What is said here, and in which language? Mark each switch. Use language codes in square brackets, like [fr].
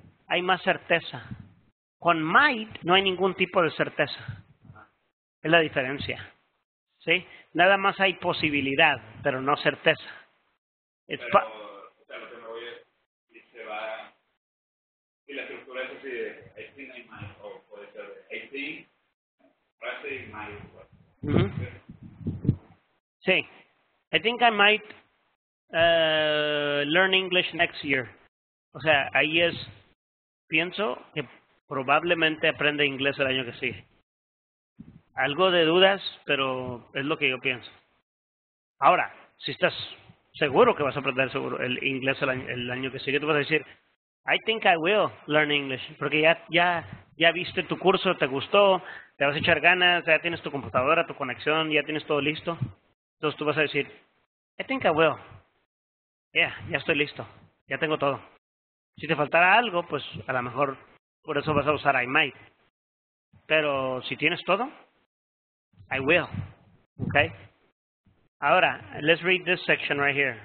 [es] Hay más certeza. Con might no hay ningún tipo de certeza. Es la diferencia. ¿Sí? Nada más hay posibilidad, pero no certeza. Pero, o sea, lo que me voy a decir, se va, y la estructura es así de, [en] I think I might, [es] o puede ser de, I think, frase y might. Mm-hmm. Sí, [en] I think I might learn English next year. [es] O sea, ahí es, pienso que probablemente aprenda inglés el año que sigue. Algo de dudas, pero es lo que yo pienso. Ahora, si estás seguro que vas a aprender seguro el inglés el año que sigue, tú vas a decir, [en] I think I will learn English, [es] porque ya viste tu curso, te gustó, te vas a echar ganas, ya tienes tu computadora, tu conexión, ya tienes todo listo. Entonces tú vas a decir, [en] I think I will. Yeah, [es] ya estoy listo. Ya tengo todo. Si te faltara algo, pues a lo mejor por eso vas a usar [en] I might. [es] Pero si tienes todo, [en] I will. Okay. [es] Ahora, [en] let's read this section right here.